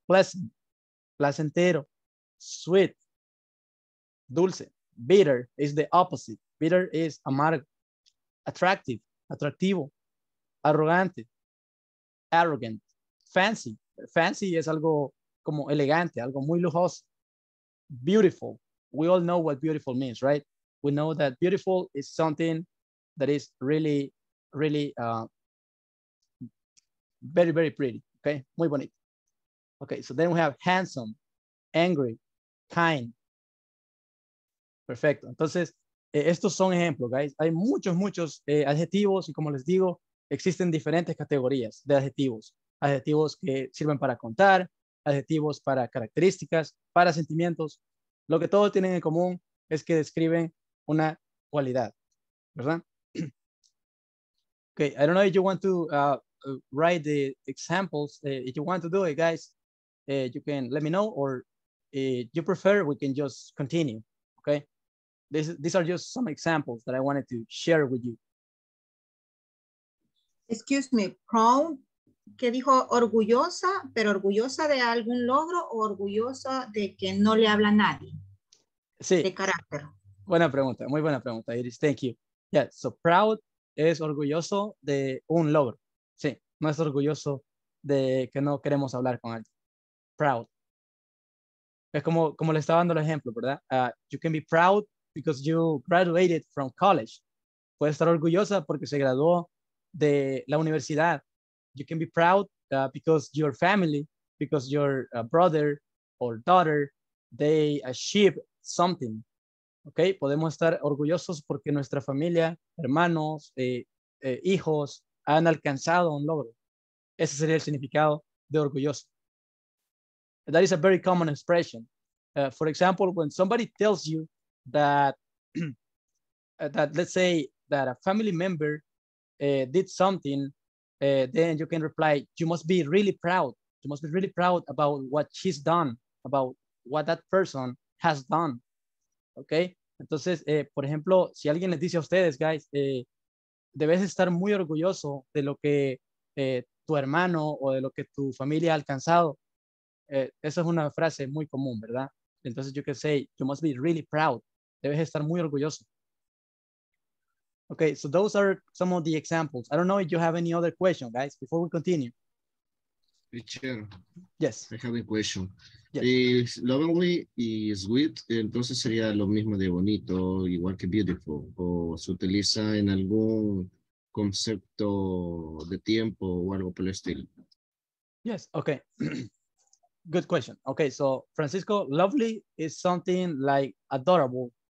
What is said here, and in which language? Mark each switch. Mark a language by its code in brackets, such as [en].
[en] Pleasant, placentero, sweet, dulce. Bitter is the opposite. Bitter is amargo. Attractive, atractivo. [es] Arrogante, arrogant. Fancy, fancy es algo como elegante, algo muy lujoso. [en] Beautiful, we all know what beautiful means, right? We know that beautiful is something that is really, really very, very pretty. Okay, [es] muy bonito. [en] Okay, so then we have handsome, angry, kind. [es] Perfecto. Entonces, estos son ejemplos, guys. Hay muchos, muchos adjetivos y como les digo, existen diferentes categorías de adjetivos. Adjetivos que sirven para contar, adjetivos para características, para sentimientos. Lo que todos tienen en común es que describen una cualidad, ¿verdad? [en] Okay, I don't know if you want to write the examples. If you want to do it, guys, you can let me know, or if you prefer, we can just continue, okay? These are just some examples that I wanted to share with you. Excuse me, proud, [es] que dijo orgullosa, pero orgullosa de algún logro o orgullosa de que no le habla nadie. Sí. De carácter. Buena pregunta, muy buena pregunta, Iris. [en] Thank you. [es] Yeah, so proud es orgulloso de un logro. Sí, no es orgulloso de que no queremos hablar con alguien. Proud. Es como, como le estaba dando el ejemplo, ¿verdad? [en] You can be proud because you graduated from college. [es] Puede estar orgullosa porque se graduó de la universidad. [en] You can be proud because your family, because your brother or daughter, they achieved something. [es] Okay, podemos estar orgullosos porque nuestra familia, hermanos, hijos han alcanzado un logro. Ese sería el significado de orgulloso. [en] That is a very common expression. For example, when somebody tells you that, that let's say that a family member did something, then you can reply, you must be really proud. You must be really proud about what she's done, about what that person has done. Okay? [es] Entonces, por ejemplo, si alguien les dice a ustedes, guys, debes estar muy orgulloso de lo que tu hermano o de lo que tu familia ha alcanzado. Esa es una frase muy común, ¿verdad? [en] Entonces, you can say, you must be really proud. [es] Debes estar muy orgulloso. [en] Okay, so those are some of the examples. I don't know if you have any other question, guys, before we continue. Teacher. Yes. I have a question. Yes. Is lovely is sweet, [es] entonces sería lo mismo de bonito, igual que beautiful, o se utiliza en algún concepto de tiempo o algo por el estilo. [en] Yes, okay. Good question. Okay, so Francisco, lovely is something like adorable.